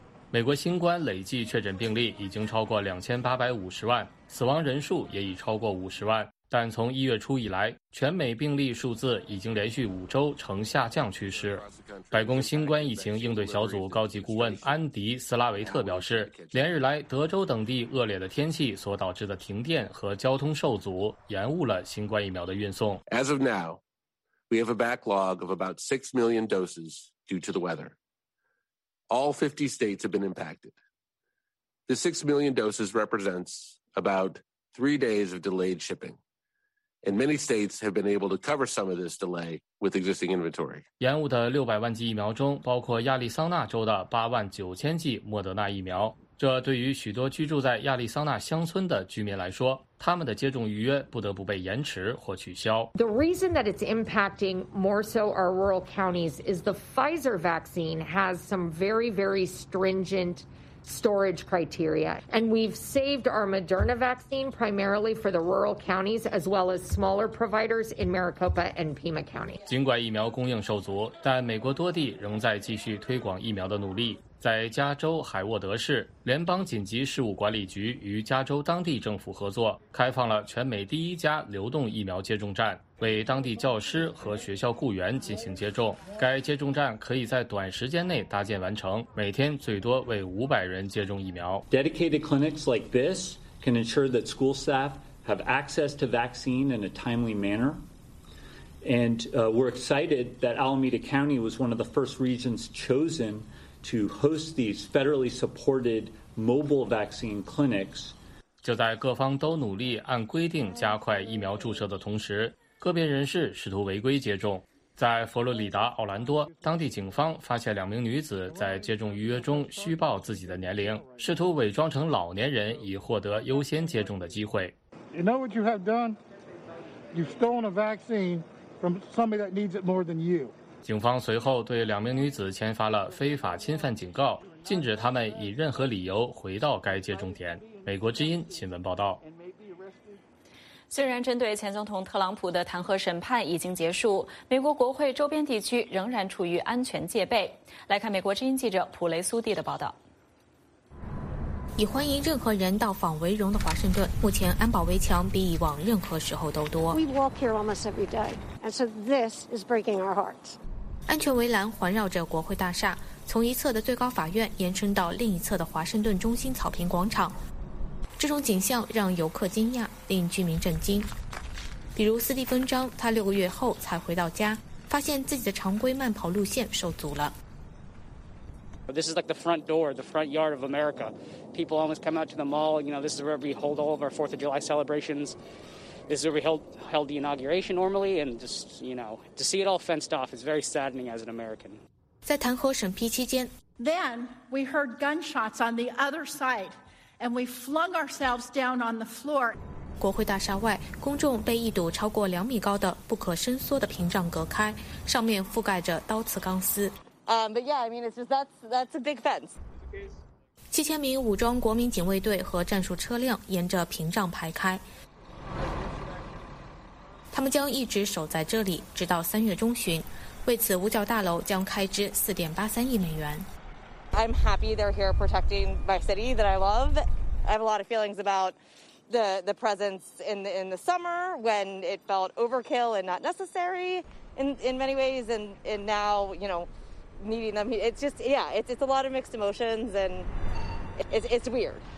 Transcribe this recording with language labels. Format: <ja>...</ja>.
<zh>美国新冠累计确诊病例已经超过2850万，死亡人数也已超过50万，但从一月初以来，全美病例数字已经连续五周呈下降趋势。白宫新冠疫情应对小组高级顾问安迪·斯拉维特表示，连日来德州等地恶劣的天气所导致的停电和交通受阻延误了新冠疫苗的运送。</zh> <en>As of now, we have a backlog of about 6 million doses due to the weather. All 50 states have been impacted. The 6 million doses represents about 3 days of delayed shipping. And many states have been able to cover some of this delay with existing inventory.</en> <zh>延误的600万剂疫苗中，包括亚利桑那州的89000剂莫德纳疫苗。这对于许多居住在亚利桑那乡村的居民来说，他们的接种预约不得不被延迟或取消。</zh> <en>The reason that it's impacting more so our rural counties is the Pfizer vaccine has some very, very stringent. Storage criteria, and we've saved our Moderna vaccine primarily for the rural counties as well as smaller providers in Maricopa and Pima County.</en> <zh>尽管疫苗供应受阻，但美国多地仍在继续推广疫苗的努力。在加州海沃德市，联邦紧急事务管理局与加州当地政府合作，开放了全美第一家流动疫苗接种站，为当地教师和学校雇员进行接种。该接种站可以在短时间内搭建完成，每天最多为500人接种疫苗。</zh> <en>Dedicated clinics like this can ensure that school staff have access to vaccine in a timely manner. And we're excited that Alameda County was one of the first regions chosen to host these federally supported mobile vaccine clinics.</en> <zh>就在各方都努力按规定加快疫苗注射的同时，个别人士试图违规接种。在佛罗里达奥兰多，当地警方发现两名女子在接种预约中虚报自己的年龄，试图伪装成老年人以获得优先接种的机会。</zh> <en>You know what you have done? You've stolen a vaccine from somebody that needs it more than you.</en> <zh>警方随后对两名女子签发了非法侵犯警告，禁止他们以任何理由回到该接种点。美国之音新闻报道。虽然针对前总统特朗普的弹劾审判已经结束，美国国会周边地区仍然处于安全戒备。来看美国之音记者普雷苏蒂的报道。以欢迎任何人到访为荣的华盛顿，目前安保围墙比以往任何时候都多。</zh> <en>We walk here almost every day, and so this is breaking our hearts.</en> <zh>安全围栏环绕着国会大厦，从一侧的最高法院延伸到另一侧的华盛顿中心草坪广场。这种景象让游客惊讶，令居民震惊。比如斯蒂芬张，他六个月后才回到家，发现自己的常规慢跑路线受阻了。</zh> <en>This is like the front door, the front yard of America. People almost come out to the mall. You know, this is where we hold all of our 4th of July celebrations. This is where we held the inauguration normally. And just, you know, to see it all fenced off is very saddening as an American.</en> <zh>在弹劾审批期间</zh> <en>Then we heard gunshots on the other side and we flung ourselves down on the floor.</en> <zh>国会大厦外公众被一堵超过两米高的不可伸缩的屏障隔开，上面覆盖着刀刺钢丝。</zh> <en>But yeah, I mean, it's just that's a big fence.</en> <zh>7000名武装国民警卫队和战术车辆沿着屏障排开，他们将一直守在这里，直到3月中旬。为此，五角大楼将开支4.83亿美元。</zh> <en>I'm happy they're here protecting my city that I love. I have a lot of feelings about the presence in the summer when it felt overkill and not necessary in many ways, and now, you know. Needing them, it's just yeah, it's a lot of mixed emotions and it's weird.</en>